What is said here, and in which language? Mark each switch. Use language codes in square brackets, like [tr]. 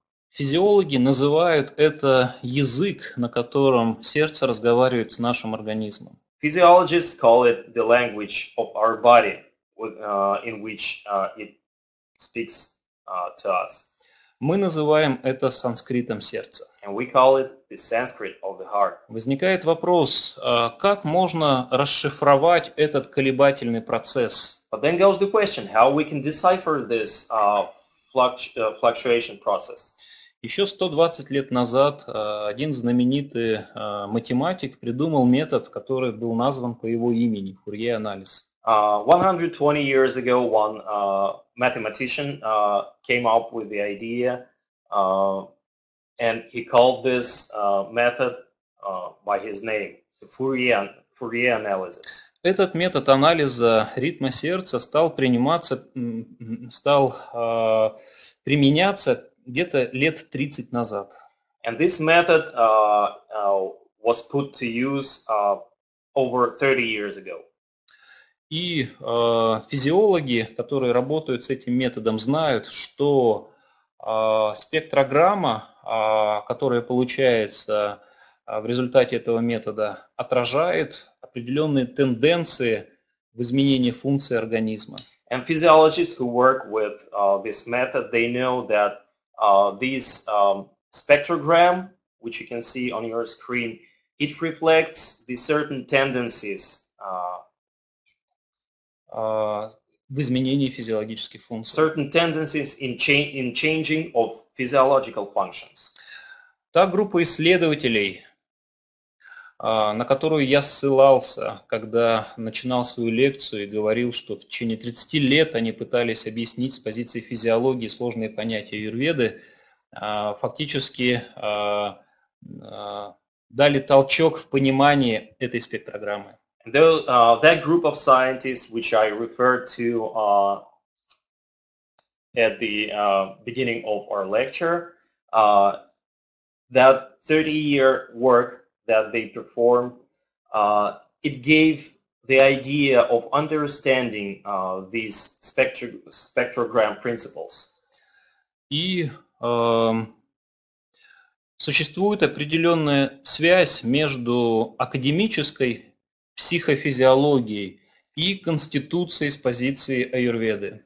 [ru] Физиологи называют это язык, на котором сердце разговаривает с нашим организмом. [en] Physiologists call it the language of our body, in which it speaks to us. [ru] Мы называем это санскритом сердца. [en] And we call it the Sanskrit of the heart. [ru] Возникает вопрос, как можно расшифровать этот колебательный процесс? [en] But then goes the question, how we can decipher this fluctuation process? [ru] Еще 120 лет назад один знаменитый математик придумал метод, который был назван по его имени, Фурье-анализ. [en] 120 years ago, one mathematician came up with the idea, and he called this method by his name, the Fourier analysis. [ru] Этот метод анализа ритма сердца стал применяться где-то лет 30 назад. [en] And this method was put to use over 30 years ago. [ru] И физиологи, которые работают с этим методом, знают, что спектрограмма, которая получается в результате этого метода, отражает определенные тенденции в изменении функции организма. [en] And physiologists who work with this method, they know that this spectrogram, which you can see on your screen, it reflects the certain tendencies [ru] в изменении физиологических функций. [en] Certain tendencies in changing of physiological functions. [ru] Та группа исследователей, на которую я ссылался, когда начинал свою лекцию и говорил, что в течение 30 лет они пытались объяснить с позиции физиологии сложные понятия аюрведы, фактически дали толчок в понимании этой спектрограммы. [en] That group of scientists, which I referred to at the beginning of our lecture, that 30-year work that they performed, it gave the idea of understanding these spectrogram principles. [ru] И существует определенная связь между академической психофизиологии и конституции с позиции аюрведы.